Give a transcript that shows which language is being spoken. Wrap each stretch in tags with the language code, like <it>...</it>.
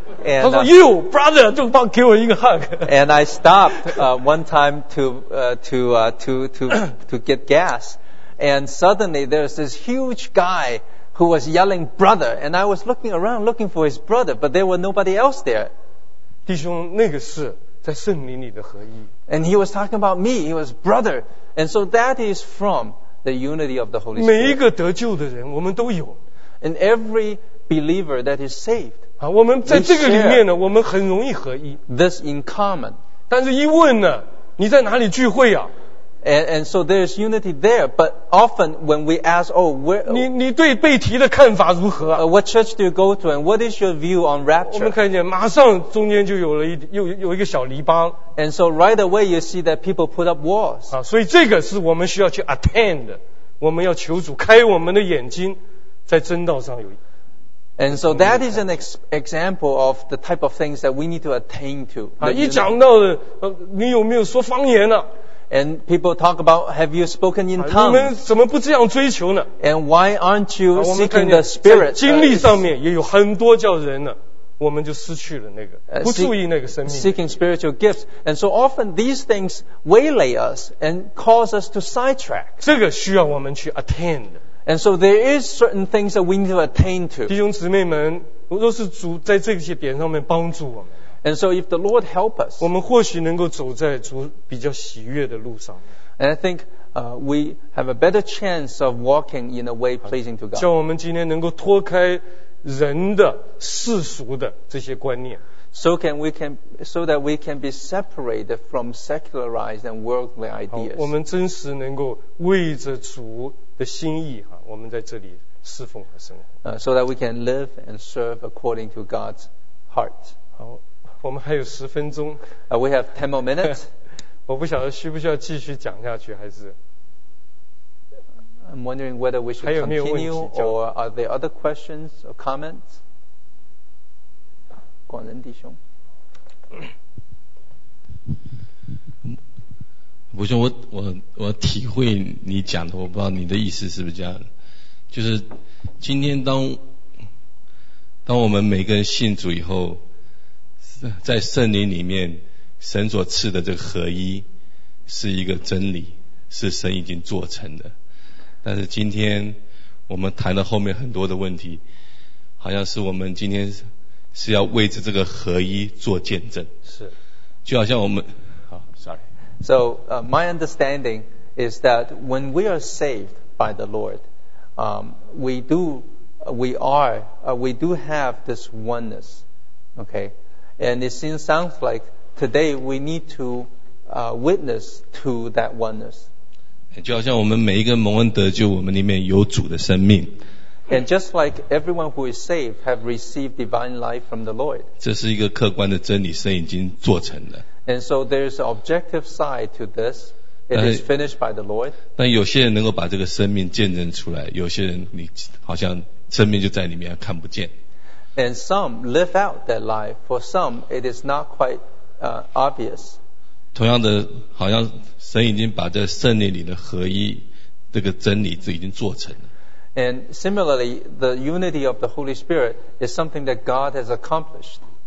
<en>And,</en> <zh>他说</zh> <en>you brother，</en> <zh>就帮给我一个 hug。</zh> <en>And I stopped one time to get gas, and suddenly there's this huge guy. Who was yelling brother, and I was looking around looking for his brother, but there was nobody else there.</en> <zh>弟兄，那个是在圣灵里的合一。</zh> <en>And he was talking about me, he was brother. And so that is from the unity of the Holy Spirit.</en> <zh>每一个得救的人我们都有。</zh> <en>And every believer that is saved,</en> <zh>我们在这个里面呢，我们很容易合一。</zh> <en>This in common.</en> <zh>但是一问呢，你在哪里聚会啊？</zh> <en>And so there's unity there, but often when we ask, oh, where?</en> <zh>你对被提的看法如何</zh> <en>？What church do you go to, and what is your view on rapture?</en> <zh>我们看见马上中间就有了有一个小篱笆。</zh> <en>And so right away you see that people put up walls.</en> <zh>所以这个是我们需要去 attend 的，我们要求主开我们的眼睛，在真道上有。</zh> <en>And so that is an example of the type of things that we need to attain to.</en> <zh>一讲到的，你有没有说方言呢？</zh> <en>And people talk about, have you spoken in tongues?</en> <zh>你们怎么不这样追求呢？</zh> <en>And why aren't you seeking the spirit?</en> <zh>在经历上面也有很多叫人呢，我们就失去了那个，不注意那个生命。</zh> <en>Seeking spiritual gifts. And so often these things waylay us and cause us to sidetrack.</en> <zh>这个需要我们去 attend.</zh> <en>And so there is certain things that we need to attain to.</en> <zh>弟兄姊妹们，若是主在这些点上面帮助我们，</zh> <en>And so if the Lord help us,</en> <zh>我们或许能够走在主比较喜悦的路上。</zh> <en>And I think, we have a better chance of walking in a way pleasing to God.</en> <zh>叫我们今天能够脱开人的世俗的这些观念。</zh> <en>So that we can be separated from secularized and worldly ideas.</en> <zh>我们真实能够为着主的心意，我们在这里侍奉和生活。</zh> <en>So that we can live and serve according to God's heart.</en> <zh>好。我们还有十分钟。</zh> <en>We have 10 more minutes.</en> <zh>我不晓得需不需要继续讲下去，还是。</zh> <en>I'm wondering whether we should continue, or are there other questions or comments?</en> <zh>广仁弟兄。不是我体会你讲的，我不知道你的意思是不是这样，就是今天当我们每个人信主以后。在圣灵里面神所赐的这个合一是一个真理，是神已经做成的，但是今天我们谈到后面很多的问题，好像是我们今天是要为着这个合一做见证，是就好像我们好 sorry</zh> <en>so my understanding is that when we are saved by the Lord we do have this oneness okayAnd it seems sounds like today we need to witness to that oneness.</en> <zh>就好像我们每一个蒙恩得救，我们里面有主的生命。</zh> <en>And just like everyone who is saved have received divine life from the Lord.</en> <zh>这是一个客观的真理，神已经做成了。</zh> <en>And so there's an objective side to this. It is finished by the Lord.</en> <zh>但有些人能够把这个生命见证出来，有些人你好像生命就在里面看不见。</zh> <en>And some live out that life. For some, it is not quite, obvious.</en> <zh>同样的，好像神已经把这圣灵里的合一这个真理已经做成了。</zh> <en>And similarly, the unity of the Holy Spirit is something that God has accomplished.</en>